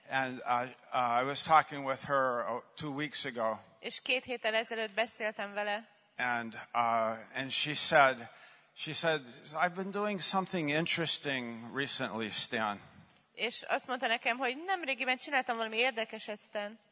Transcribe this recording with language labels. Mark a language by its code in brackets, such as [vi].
[en] And I was talking with her 2 weeks ago. [hu] És két héttel ezelőtt beszéltem vele. [en] And she said I've been doing something interesting recently, Stan. [hu] És azt mondta nekem, hogy nemrégiben csináltam valami érdekeset, Stan.